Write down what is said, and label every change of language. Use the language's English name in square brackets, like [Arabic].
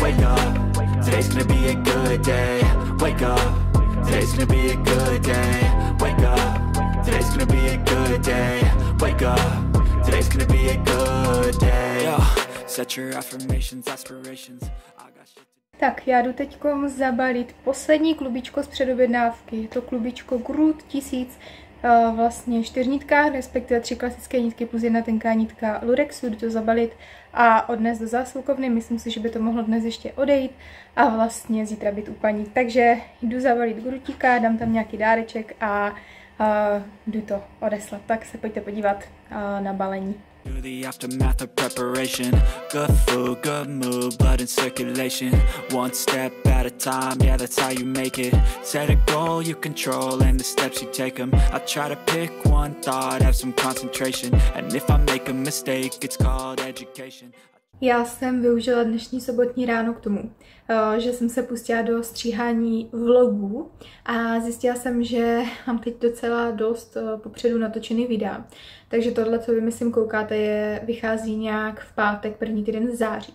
[English] Wake up, today's gonna be a good day. Wake up, today's gonna be a good day. Wake up, today's gonna be a good day. Wake up, today's gonna be a good day. Set your affirmations, aspirations. I got shit to do. [Czech] Tak, já jdu teď zabalit poslední klubičko z předobjednávky. Je to klubičko Groot 1000, vlastně čtyřnitka, respektive tři klasické nitky plus jedna tenká nitka Lurexu, jdu to zabalit a odnést do zásilkovny. Myslím si, že by to mohlo dnes ještě odejít a vlastně zítra být u paní. Takže jdu zabalit Grootíka, dám tam nějaký dáreček a jdu to odeslat. Tak se pojďte podívat na balení. [English] Through the aftermath of preparation, good food, good mood, blood in circulation. One step at a time, yeah, that's how you make it. Set a goal you control and the steps you take them. I try to pick one thought, have some concentration. And if I make a mistake, it's called education. [Czech] Já jsem využila dnešní sobotní ráno k tomu, že jsem se pustila do stříhání vlogů a zjistila jsem, že mám teď docela dost popředu natočený videa. Takže tohle, co vy myslím koukáte, vychází nějak v pátek, první týden září.